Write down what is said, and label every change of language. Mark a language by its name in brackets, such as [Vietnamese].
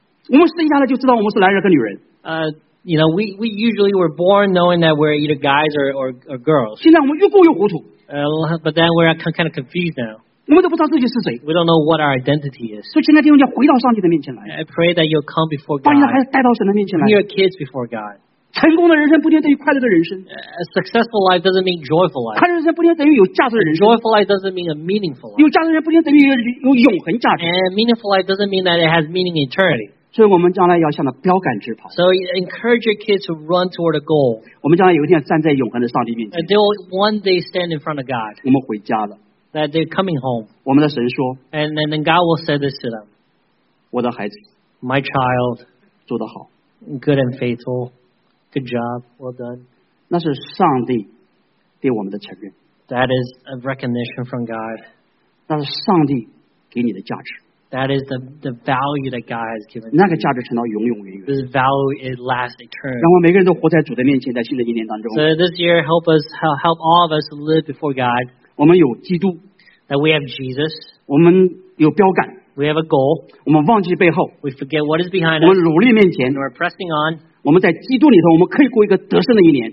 [Chinese] 我们生下来就知道我们是男人跟女人 [English] You know, we usually were born knowing that we're either guys or girls. [Chinese] 现在我们又够又糊涂。 [English] But then we're kind of confused now. [Chinese] 我们都不知道自己是谁。 [English] We don't know what our identity is. [Chinese] 所以现在弟兄要回到上帝的面前来。 [English] I pray that you'll come before God. [Chinese] 把你的孩子带到神的面前来。 [English] Bring your kids before God. [Chinese] 成功的人生不等于快乐的人生。 [English] A successful life doesn't mean joyful life. [Chinese] 快乐人生不等于有价值的人生。 [English] A joyful life doesn't mean a meaningful life. [Chinese] 有价值人不等于有永恒价值。 [English] And meaningful life doesn't mean that it has meaning in eternity. [Chinese] 所以我们将来要向着标杆直跑。 [English] So encourage your kids to run toward a goal. [Chinese] 我们将来有一天站在永恒的上帝面前。 [English] And they will one day stand in front of God. [Chinese] 我们回家了。 [English] That they're coming home. [Chinese] 我们的神说。 [English] And then God will say this to them. [Chinese] 我的孩子。 [English] My child. [Chinese] 做得好。 [English] Good and faithful. Good job. Well done. [Chinese] 那是上帝对我们的承认。 [English] That is a recognition from God. [Chinese] 那是上帝给你的价值。 [English] That is the value that God has given. [Chinese] 那个价值成到永永远远。 [English] This value is last eternal. [Chinese] 让我们每个人都活在主的面前，在新的一年当中。 [English] So this year, help all of us live before God. [Chinese] 我们有基督。 [English] That we have Jesus. [Chinese] 我们有标杆。 [English] We have a goal. [Chinese] 我们忘记背后。 [English] We forget what is behind us. [Chinese] 我们努力面前。 [English] We're pressing on. [Chinese] 我们在基督里头，我们可以过一个得胜的一年。